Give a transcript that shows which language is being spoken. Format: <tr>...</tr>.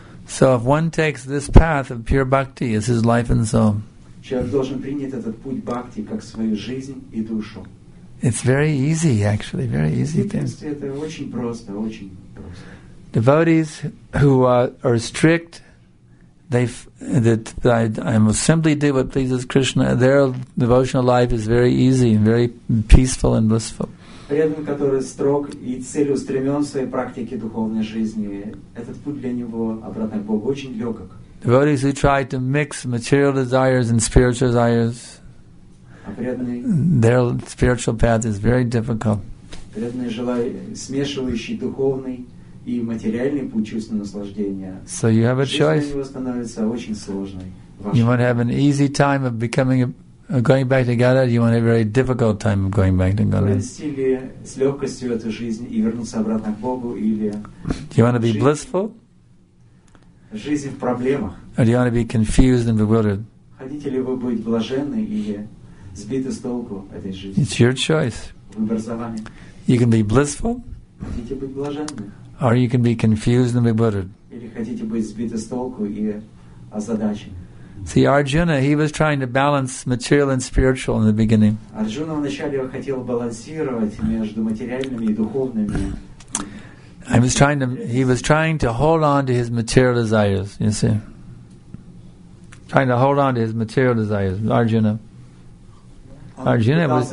<en>So if one takes this path of pure bhakti as his life and soul.</en> <ru>Человек должен принять этот путь бхакти как свою жизнь и душу.</ru> <en>It's very easy, actually, very easy thing.</en> <ru>Это очень просто, очень просто.</ru> <en>Devotees who are strict, I will simply do what pleases Krishna. Their devotional life is very easy and very peaceful and blissful.</en> <ru>Преданный, который строг и целеустремлен в своей практике духовной жизни, этот путь для него обратно к Богу очень легок.</ru> <en>Devotees who try to mix material desires and spiritual desires. Their spiritual path is very difficult.</en> <ru>Смешивающий духовный и материальный путь чувственного наслаждения.</ru> <en>So you have a choice.</en> <ru>Становится очень сложной.</ru> <en>You want to have an easy time of becoming going back to Godhead. You want a very difficult time of going back to Godhead.</en> <ru>С легкостью эту жизнь и вернуться обратно к Богу или.</ru> <en>Do you want to be blissful?</en> <ru>Жизнь в проблемах.</ru> <en>Or do you want to be confused and bewildered?</en> <ru>Хотите ли вы быть блаженны или сбиты с толку этой жизни?</ru> <en>It's your choice.</en> <ru>Выбор за вами.</ru> <en>You can be blissful.</en> <ru>Хотите быть блаженны?</ru> <en>Or you can be confused and bewildered.</en> <ru>Или хотите быть сбиты с толку и озадачены?</ru> <en>See, Arjuna, he was trying to balance material and spiritual in the beginning.</en> <ru>Arjuna вначале хотел балансировать между материальными и духовными.</ru> <en>He was trying to hold on to his material desires. You see, trying to hold on to his material desires, Arjuna. Arjuna was.</en>